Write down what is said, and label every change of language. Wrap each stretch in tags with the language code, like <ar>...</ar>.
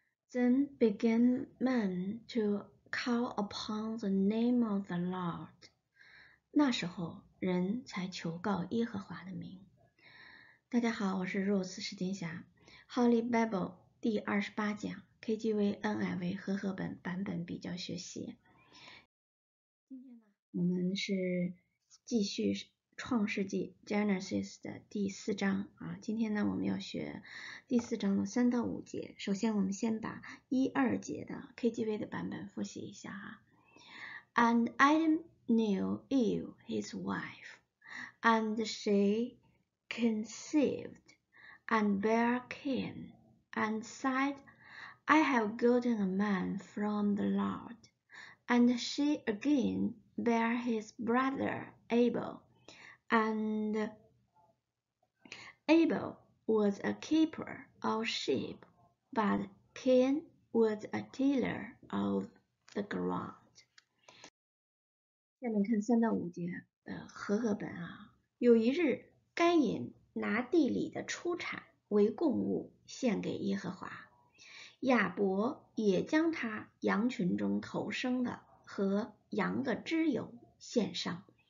<en>Then began men to call upon the name of the Lord.</en> <zh>那时候人才求告耶和华的名。大家好，我是 Rose 时间侠。Holy Bible 第28讲 KGV NIV 和合本版本比较学习。今天呢，我们是继续创世纪 Genesis 的第四章啊，今天呢我们要学第四章的三到五节。首先我们先把一二节的 KGV 的版本复习一下哈。</zh> <en>And Adam knew Eve his wife, and she conceived and bare Cain, and said, I have gotten a man from the Lord. And she again bare his brother Abel. And Abel was a keeper of sheep, but Cain was a tiller of the ground.</en> <zh>下面看三到五节的和合本啊。有一日，该隐拿地里的出产为贡物献给耶和华，亚伯也将他羊群中头生的和羊的脂油献上。</zh>